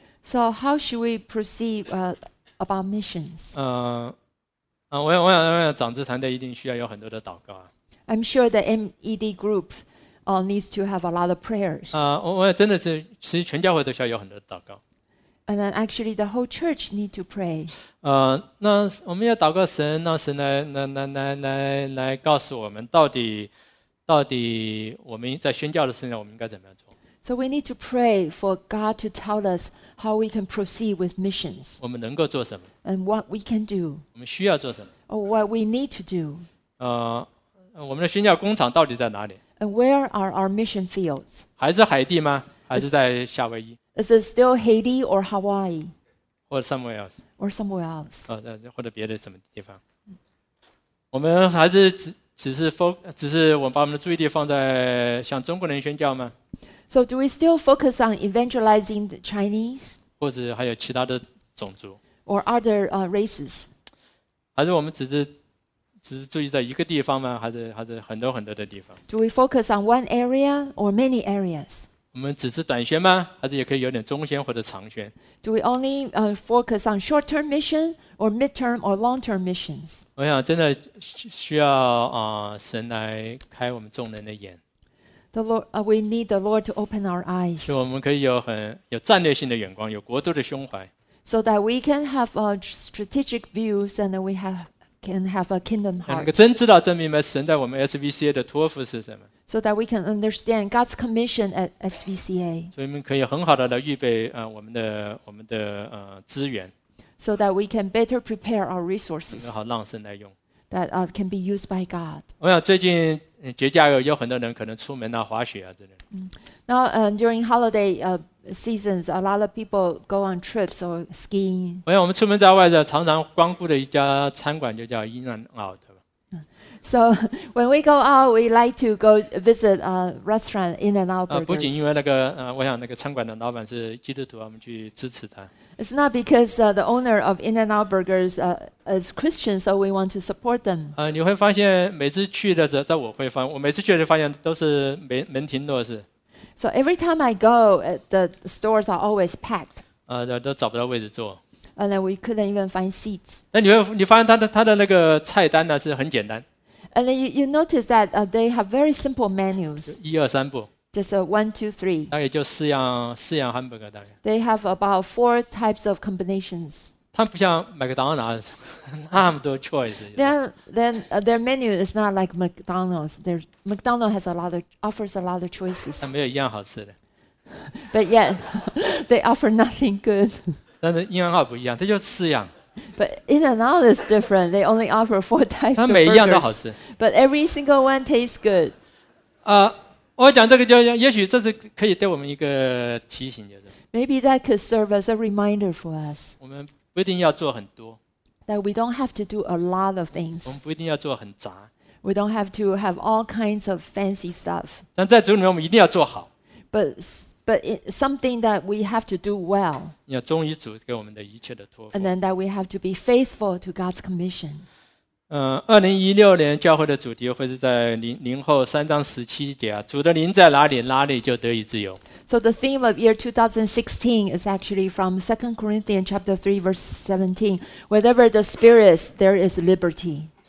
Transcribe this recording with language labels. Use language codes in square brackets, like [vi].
[en] So how should we proceed about missions? [zh] 我想长子团队一定需要有很多的祷告啊。 [en] I'm sure the MED group needs to have a lot of prayers. [zh] 我真的是，其实全教会都需要有很多祷告。 [en] And then actually, the whole church need to pray. [zh] 那我们要祷告神，让神来告诉我们到底我们在宣教的事上，我们应该怎么样做？ [en] So we need to pray for God to tell us how we can proceed with missions. [zh] 我们能够做什么 [en] ？And what we can do. [zh] 我们需要做什么 [en] ？Or what we need to do. [zh] 我们的宣教工厂到底在哪里 [en] ？And where are our mission fields? [zh] 还是海地吗？还是在夏威夷 [en] ？Is it still Haiti or Hawaii? Or somewhere else? Or somewhere else? [zh] 或者别的什么地方？我们还是只是我们把我们的注意力放在向中国人宣教吗？ [en] So do we still focus on evangelizing the Chinese? [zh] 或者还有其他的种族 [en] ？Or other races? [zh] 还是我们只是注意在一个地方吗？还是很多很多的地方 [en] ？Do we focus on one area or many areas? [zh] 我们只是短宣吗？还是也可以有点中宣或者长宣 [en] ？Do we only focus on short-term mission or mid-term or long-term missions? [zh] 我想真的需要神来开我们众人的眼。 [en] The Lord, we need the Lord to open our eyes. [zh] 是我们可以有战略性的眼光，有国度的胸怀。 [en] So that we can have a strategic views and we can have a kingdom heart. [zh] 能够真知道、真明白神在我们 SVCA 的托付是什么。 [en] So that we can understand God's commission at SVCA. [zh] 所以我们可以很好的来预备我们的资源。 [en] So that we can better prepare our resources. [zh] 能好让神来用。 [en] That can be used by God. [zh] 我想最近节假日有很多人可能出门滑雪之类的。 [en] Now during holiday seasons, a lot of people go on trips or skiing. [zh] 我想我们出门在外的常常光顾的一家餐馆就叫 In and Out. [en] So when we go out, we like to go visit a restaurant In and Out. [zh] 不仅因为那个我想那个餐馆的老板是基督徒，我们去支持他。 [en] It's not because the owner of In-N-Out Burgers is Christian, so we want to support them. [zh] 你会发现每次去的时候，在我会发，我每次去就发现都是门庭若市。 [en] So every time I go, the stores are always packed. [zh] 都找不到位置坐。 [en] And then we couldn't even find seats. [zh] 那你发现他的那个菜单呢是很简单。 [en] And then you notice that they have very simple menus. [zh] 一二三步。 [en] Just a 1, 2, 3. [zh] 大概就四样 hamburger 大概。 [en] They have about 4 types of combinations. [zh] 他不像麦当劳那么多 choice. [en] Then their menu is not like McDonald's. McDonald's offers a lot of choices. [zh] 但没有一样好吃的。 [en] But yet, they offer nothing good. [zh] 但是In and Out不一样，它就四样。 [en] But In and Out is different. They only offer 4 types. [zh] 它每一样都好吃。 [en] But every single one tastes good. [zh] 我讲这个就也许这是可以对我们一个提醒，就是 [en] Maybe that could serve as a reminder for us. [zh] 我们不一定要做很多 [en] That we don't have to do a lot of things. [zh] 我们不一定要做很杂 [en] We don't have to have all kinds of fancy stuff. [zh] 但在主里面，我们一定要做好 [en] But something that we have to do well. [zh] 要忠于主给我们的一切的托付 [en] And then that we have to be faithful to God's commission. [zh] 2016年教会的主题会是在灵后3:17，主的灵在哪里，哪里就得以自由。 [en] So the theme of year 2016 is actually from 2 Corinthians chapter 3 verse 17. Wherever the Spirit is, there is liberty.